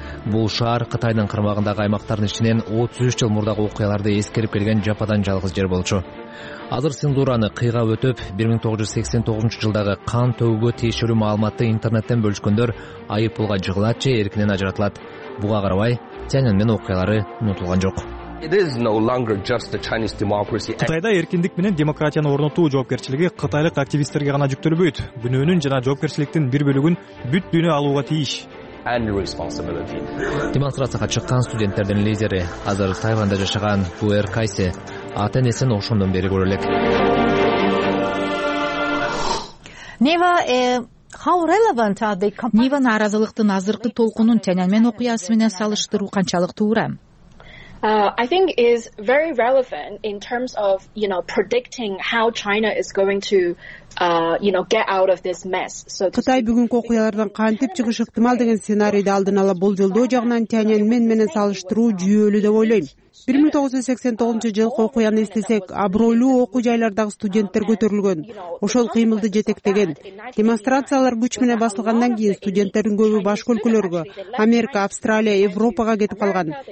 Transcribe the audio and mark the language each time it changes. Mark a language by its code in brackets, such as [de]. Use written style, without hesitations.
[ky] Бул шаар Кытайдын кармагындагы аймактардын ичинен 33 жыл мурдагы окуяларды эскерип келген жападан жалгыз жер болчу. Азыр цензураны кыйга өтүп, 1989 жылдагы кан төгүүгө тиешелүү маалыматты интернеттен бөлүшкөндөр айыппулга жыгылат же эркинен ажыратылат. Буга карабай, Тяньаньмен окуялары унутулган жок. [en] It is no longer just the Chinese democracy. [ky] Кытайда эркиндик менен демократияны орнотуу жоопкерчилиги кытайлык активисттерге гана жүктөлбөйт. Күнөөнүн жана жоопкерчиликтин бир бөлүгүн бүт дүйнө алууга тийиш. [en] and responsibility. [ky] Демонстрацияга чыккан студенттердин лидери азыр Тайванда жашаган Пуэр Кайсе ата-энесин ошондон бери көрө элек. [en] How relevant are they? [ky] Нива нааразылыктын азыркы толкунун Тяньаньмен окуясы менен салыштыруу канчалык туура? [en] I think is very relevant in terms of, you know, predicting how China is going to get out of this mess. So [ky] Кытай бүгүнкү окуялардан кантип чыгыш ыктымал деген сценарийди алдын ала болжолдоо жагынан Тяньаньмен менен салыштыруу жүйөлүү деп ойлойм. 1989 жылкы окуяны эстесек, абройлуу окуу жайлардагы студенттер көтөрүлгөн, ошол кыймылды жетектеген. Демонстрациялар күч менен басылгандан кийин студенттердин көбү башка өлкөлөргө, Америка, Австралия, Европага кетип калган.